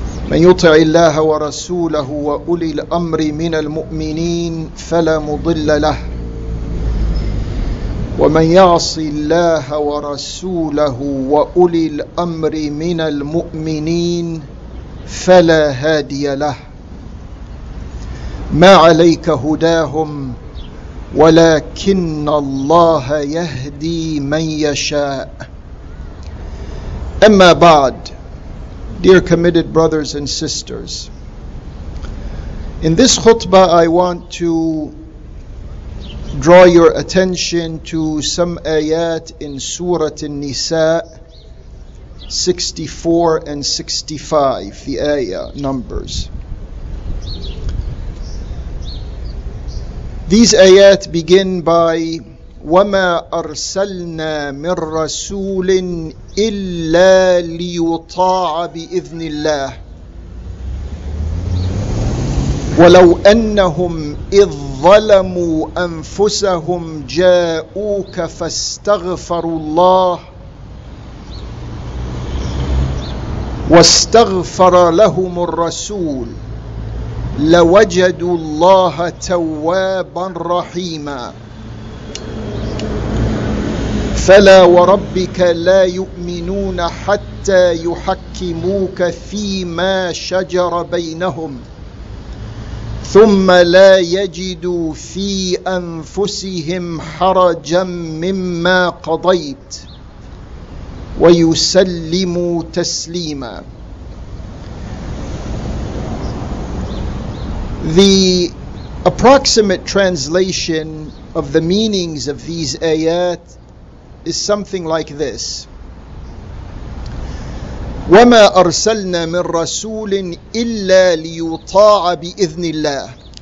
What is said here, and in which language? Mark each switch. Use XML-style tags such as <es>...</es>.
<ar>من يطع الله ورسوله وأولي الأمر من المؤمنين فلا مضل له ومن يعص الله ورسوله وأولي الأمر من المؤمنين فلا هادي له ما عليك هداهم ولكن الله يهدي من يشاء أما بعد.</ar> <en>Dear committed brothers and sisters, in this khutbah I want to draw your attention to some ayat in Surah An-Nisa 64 and 65, the ayah numbers. These ayat begin by</en> <ar>وَمَا أَرْسَلْنَا مِنْ رَسُولٍ إِلَّا لِيُطَاعَ بِإِذْنِ اللَّهِ وَلَوْ أَنَّهُمْ إِذْ ظَلَمُوا أَنفُسَهُمْ جَاءُوكَ فَاسْتَغْفَرُوا اللَّهِ وَاسْتَغْفَرَ لَهُمُ الرَّسُولُ لَوَجَدُوا اللَّهَ تَوَّابًا رَحِيمًا فلا وربك لا يؤمنون حتى يحكموك فيما شجر بينهم ثم لا يجدوا في أنفسهم حرجا مما قضيت ويسلموا تسليما.</ar> <en>The approximate translation of the meanings of these ayat is something like this.</en> <ar>وَمَا أَرْسَلْنَا مِنْ رَسُولٍ إِلَّا لِيُطَاعَ بِإِذْنِ اللَّهِ.</ar>